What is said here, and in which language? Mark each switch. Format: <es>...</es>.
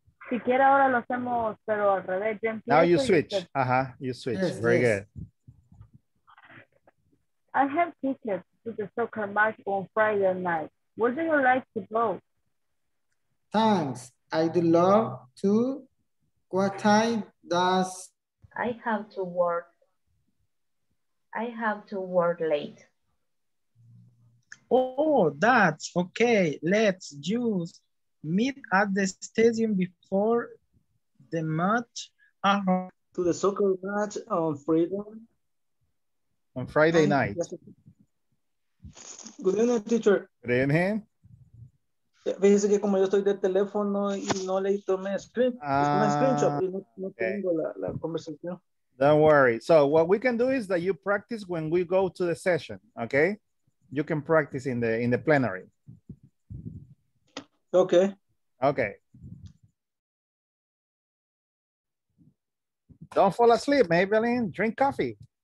<es>Si quiere ahora lo hacemos, pero al revés.</es> <en>Now you switch. You switch. Yes, very good. I have tickets to the soccer match on Friday night. Would you like to go? Thanks. I'd love to. What time does... I have to work late. Oh, that's okay. Let's just meet at the stadium before the match. Uh-huh. To the soccer match on Friday. On Friday night. Good evening, teacher. Good evening.</en> <es>Fíjese que como yo estoy de teléfono y no leí tomé screenshot, no tengo la conversación.</es> <en>Don't worry. So what we can do is that you practice when we go to the session, okay? You can practice in the plenary. Okay. Okay. Don't fall asleep, Maybelline. Drink coffee.</en>